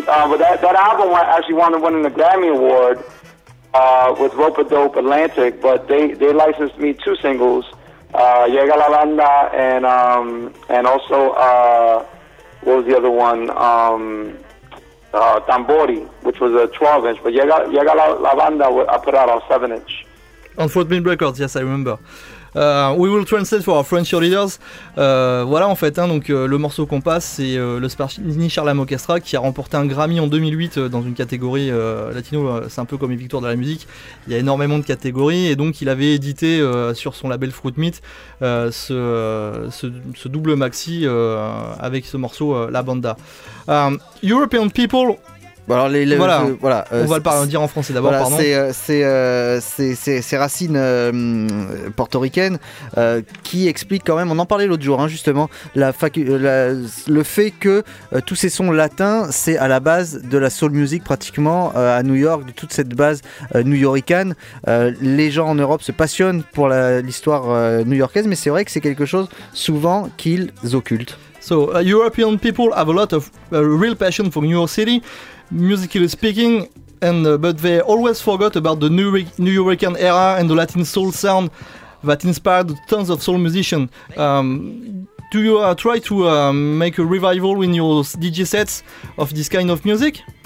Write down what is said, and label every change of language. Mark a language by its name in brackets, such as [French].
[English] But that album actually won the Grammy Award with Rope a Dope Atlantic, but they licensed me two singles, Llega la Banda and also, what was the other one? Tambori, which was a 12-inch, but Llega la Banda, I put out on 7-inch. On Fort Mill Records, yes, I remember. We will translate for our French leaders. [French] Voilà, en fait, hein, donc le morceau qu'on passe, c'est le Spanish Harlem Orchestra qui a remporté un Grammy en 2008 dans une catégorie latino. C'est un peu comme les victoires de la musique. Il y a énormément de catégories et donc il avait édité sur son label Fruit Meat ce double maxi avec ce morceau La Banda. [English] European people. [French] Alors on va le dire en français d'abord. Voilà, pardon. C'est racines portoricaines qui expliquent quand même. On en parlait l'autre jour, hein, justement, le fait que tous ces sons latins, c'est à la base de la soul music pratiquement à New York, de toute cette base new-yorkaine. Les gens en Europe se passionnent pour l'histoire new-yorkaise, mais c'est vrai que c'est quelque chose souvent qu'ils occultent. [English] So European people have a lot of real passion for New York City. Musically speaking, but they always forgot about the New Yorkian era and the Latin soul sound that inspired tons of soul musicians. Do you try to make a revival in your DJ sets of this kind of music?